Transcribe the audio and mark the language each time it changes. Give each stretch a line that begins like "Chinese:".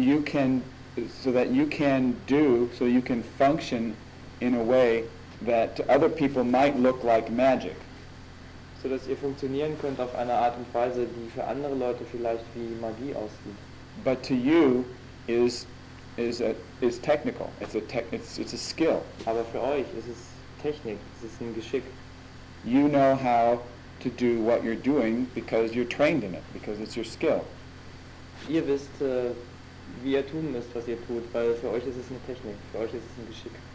English: So that you can function in a way that to other people might look like magic.
German: So dass ihr funktionieren könnt auf eine Art und Weise, die für andere Leute vielleicht wie Magie aussieht.
English: But to you is technical. It's a skill.
German: Aber für euch ist es Technik. Es ist ein Geschick.
English: You know how to do what you're doing because you're trained in it, because it's your skill.
German: Ihr wisst, wie ihr tun müsst, was ihr tut, weil für euch ist es eine Technik, für euch ist es ein Geschick.